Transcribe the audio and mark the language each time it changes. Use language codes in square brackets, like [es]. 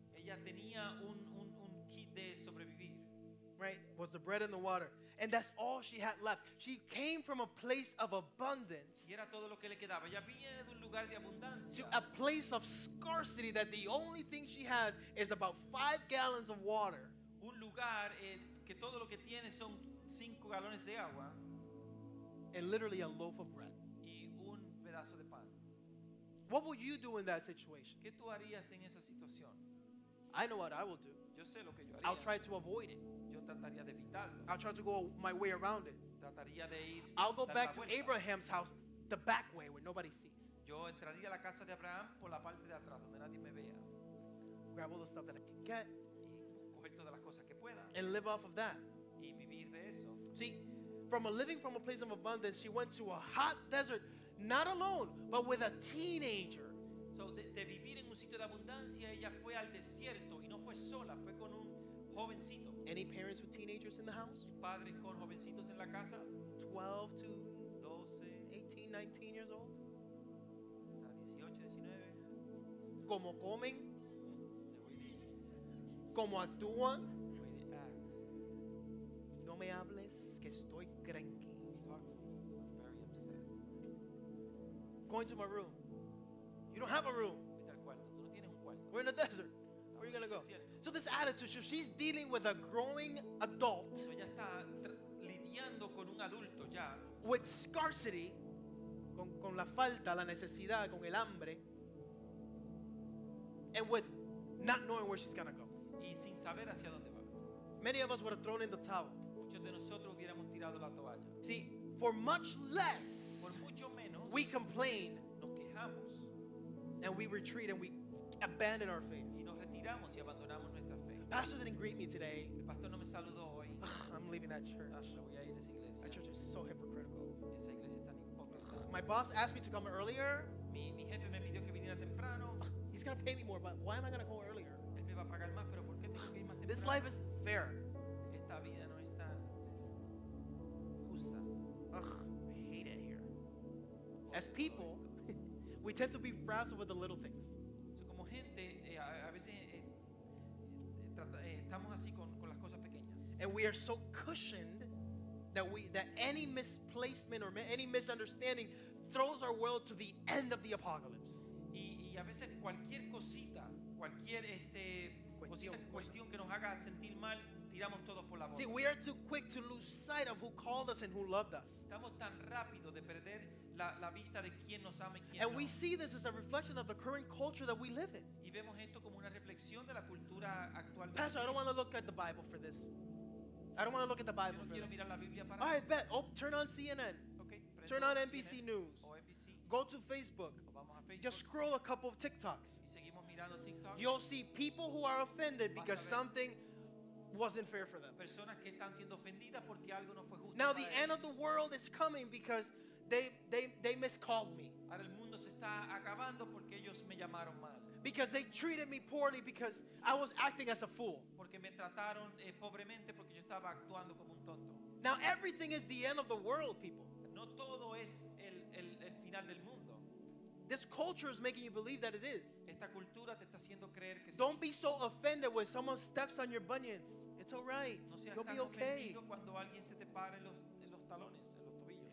[es] Ella tenía un kit de sobrevivir. [en] Right? Was the bread and the water. And that's all she had left. She came from a place of abundance [es] y era todo lo que le quedaba. Ella viene de un lugar de abundancia. [en] To a place of scarcity that the only thing she has is about 5 gallons of water. [es] Un lugar que todo lo que tiene son 5 gallons de agua. [en] And literally a loaf of bread. [es] Y un pedazo de pan. [en] What would you do in that situation? [es] ¿Qué tú harías en esa situación? [en] I know what I will do. [es] Yo sé lo que yo haría. [en] I'll try to avoid it. [es] Yo trataría de evitarlo. [en] I'll try to go my way around it. [es] Trataría de ir [en] I'll go back to Abraham's house the back way where nobody sees. [es] Yo entraría a la casa de Abraham por la parte de atrás donde nadie me vea. [en] Grab all the stuff that I can get. [es] Y coger todas las cosas que pueda. [en] And live off of that. [es] Y vivir de eso. [en] See, from a living from a place of abundance, she went to a hot desert, not alone, but with a teenager. [es] So, de vivir en un sitio de abundancia, ella fue al desierto y no fue sola, fue con un jovencito. [en] Any parents with teenagers in the house? [es] Padres con jovencitos en la casa? [en] 12 to [es] 12, [en] 18, 19 years old. [es] 18, 19. Como comen? [en] The way they eat. [es] Como actúan? [en] The way they act. [es] No me hables que estoy cranky. [en] Talk to me. I'm very upset. Going to my room. You don't have a room. [es] Vete al cuarto. Tú no tienes un cuarto. [en] We're in a desert. Where are you going to go? So this attitude, she's dealing with a growing adult. [es] So ella está lidiando con un adulto ya. [en] With scarcity, [es] con la falta, la necesidad, con el hambre, [en] and with not knowing where she's going to go. [es] Y sin saber hacia dónde va. [en] Many of us would have thrown in the towel. [es] Muchos de nosotros hubiéramos tirado la toalla. [en] See, for much less, [es] por mucho menos, [en] we complain. [es] Nos quejamos. [en] And we retreat and we abandon our faith. [es] Y nos retiramos y abandonamos nuestra fe. [en] Pastor didn't greet me today. [es] El pastor no me saludó hoy. [en] I'm leaving that church. [es] Me voy a ir a esa iglesia. [en] That church is so hypocritical. [es] Esa iglesia es tan hipócrita. [en] My boss asked me to come earlier. [es] Mi jefe me pidió que viniera temprano. [en] He's going to pay me more, but why am I going to go earlier? [es] Él me va a pagar más, pero ¿por qué tengo que ir más temprano? [en] This life is fair. [es] Esta vida no es tan justa. [en] I hate it here. As people, we tend to be frazzled with the little things. [es] So, como gente, a veces estamos así con las cosas pequeñas. [en] And we are so cushioned that any misplacement or any misunderstanding throws our world to the end of the apocalypse. [es] Y a veces cualquier cosita, cualquier cuestión que nos haga sentir mal, tiramos todos por la borda. [en] See, we are too quick to lose sight of who called us and who loved us. [es] Estamos tan rápido de perder la vista de quién nos ama y quién [en] and [es] no. [en] We see this as a reflection of the current culture that we live in. [es] Y vemos esto como una reflexión de la cultura actual. [en] Pastor, I don't want to look at the Bible for this. I don't want to look at the Bible [es] yo no [en] for this. [es] Mirar la Biblia para [en] all right, bet. Oh, turn on CNN. Okay. Turn on NBC News. [es] O NBC. [en] Go to Facebook. [es] O vamos a Facebook. [en] Just scroll a couple of TikToks. [es] Y seguimos mirando TikTok. [en] You'll see people who are offended because something wasn't fair for them. [es] Personas que están siendo ofendidas porque algo no fue justo. [en] Now the end of the world is coming because they miscalled me. [es] Ahora el mundo se está acabando porque ellos me llamaron mal. [en] Because they treated me poorly because I was acting as a fool. [es] Porque me trataron pobremente porque yo estaba actuando como un tonto. [en] Now everything is the end of the world, people. [es] No todo es el final del mundo. [en] This culture is making you believe that it is. [es] Esta cultura te está haciendo creer que [en] don't be so offended when someone steps on your bunions. It's all right. [es] No seas [en] you'll be okay. [es] Ofendido cuando alguien se te pare en los talones, en los tobillos,